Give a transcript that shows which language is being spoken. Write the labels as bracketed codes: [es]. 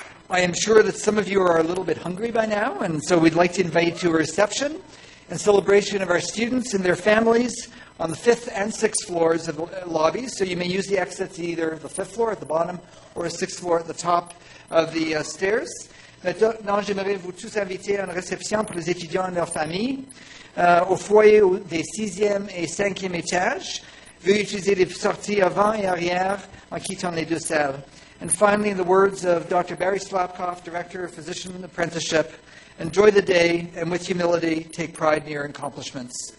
[en] I am sure that some of you are a little bit hungry by now, and so we'd like to invite you to a reception and celebration of our students and their families on the fifth and sixth floors of the lobby. So you may use the exits either the fifth floor at the bottom or a sixth floor at the top of the stairs. [fr] Maintenant, j'aimerais vous tous inviter à une réception pour les étudiants et leurs familles au foyer des sixième et cinquième étages. Veuillez utiliser les sorties avant et arrière en quittant les deux salles. [en] And finally, in the words of Dr. Barry Slapkoff, Director of Physician Apprenticeship, enjoy the day and with humility take pride in your accomplishments.